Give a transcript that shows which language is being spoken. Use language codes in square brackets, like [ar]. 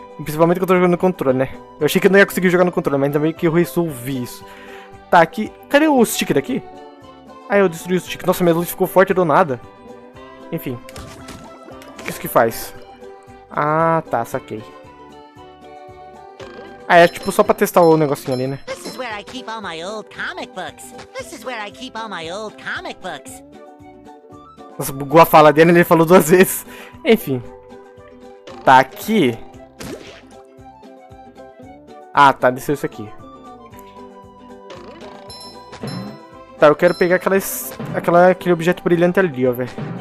[pt] Principalmente que eu tô jogando no controle, né? Eu achei que não ia conseguir jogar no controle, mas ainda bem que eu resolvi isso. Tá, aqui... Cadê o stick daqui? Ah, eu destruí o stick. Nossa, minha luz ficou forte do nada. Enfim. O que isso que faz? Ah, tá, saquei. Ah, é tipo só pra testar o negocinho ali, né? [en] This is where I keep all my old comic books. This is where I keep all my old comic books. [pt] Nossa, bugou a fala dele, ele falou duas vezes. Enfim. Tá aqui... Ah, tá, desceu isso aqui. Tá, eu quero pegar aquele objeto brilhante ali, ó, velho.